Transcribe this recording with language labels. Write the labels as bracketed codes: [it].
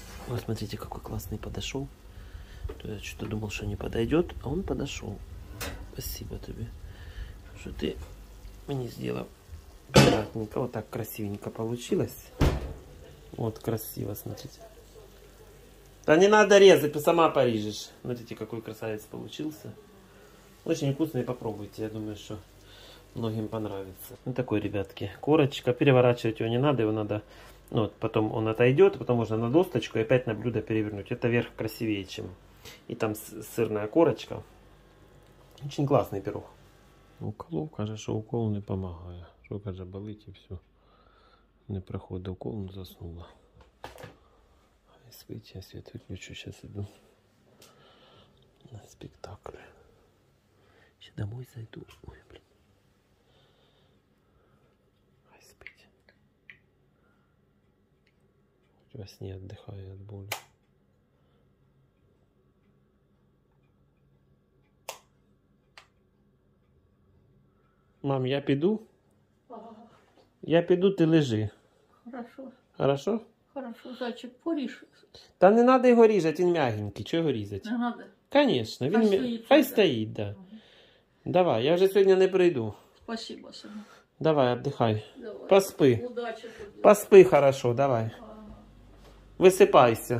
[uk] Ось, смотрите, який класний підійшов. [ru] Я что-то думал, [uk] що не підійдет, а він підійшов. Спасибо тобі, що ти мені зробив. [ru] Аккуратненько, вот так красивенько получилось. Вот красиво, смотрите. Да не надо резать, ты сама порежешь. Смотрите, какой красавец получился. Очень вкусный, попробуйте. Я думаю, что многим понравится. Вот такой, ребятки, корочка. Переворачивать его не надо, его надо... Ну, вот потом он отойдет, потом можно на досточку и опять на блюдо перевернуть. Это вверх красивее, чем... И там сырная корочка. Очень классный пирог. Уколов, кажется, что укол не помогает. [uk] Що каже, болить і все. Не проходить укол, не заснула. Ай, спить, я світ виключу, зараз йду на спектакль. Ще домой зайду. Ой, блін. Ай, спить. Хоч во сні віддихаю від болі. Мам, я піду? Я піду, ти лежи. [ru] Хорошо. Хорошо? [uk] Хорошо, зайчик, поріжеш. Та не треба його різати, він м'ягенький. Чого його різати? Не треба. Звісно, він хай стоїть, да. Угу. Давай, я вже сьогодні не прийду. Спасибо, сину. Давай, віддихай. Давай. Поспи. Удачі тобі. Поспи хорошо, давай. Ага. Висипайся.